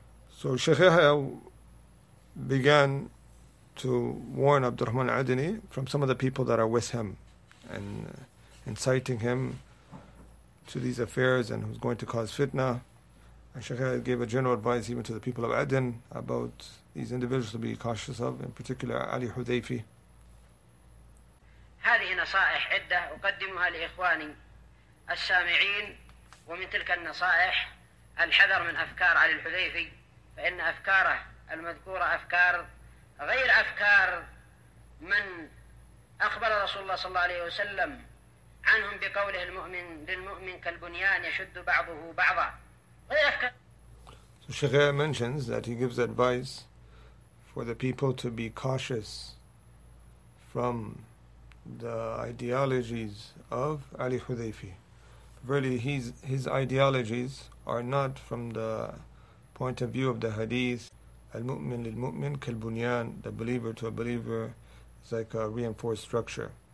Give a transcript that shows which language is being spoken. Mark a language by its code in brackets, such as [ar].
[en] So Sheikh Yahya began to warn Abdurrahman Adini from some of the people that are with him and inciting him to these affairs and who's going to cause fitna. And Sheikh Yahya gave a general advice even to the people of Aden about these individuals to be cautious of, in particular Ali Hudayfi. [ar] هذه نصائح عدة أقدمها لإخواني السامعين، ومن تلك النصائح الحذر من أفكار علي الحذيفي، فإن أفكاره المذكورة أفكار غير أفكار من أخبر رسول الله صلى الله عليه وسلم عنهم بقوله المؤمن للمؤمن كالبنيان يشد بعضه بعضا، غير أفكار. [en] So Sheikh Yahya mentions that he gives advice for the people to be cautious from the ideologies of Ali Hudayfi. Really, his ideologies are not from the point of view of the hadith, [ar] al-mu'min lil-mu'min kal-bunyan, [en] the believer to a believer is like a reinforced structure.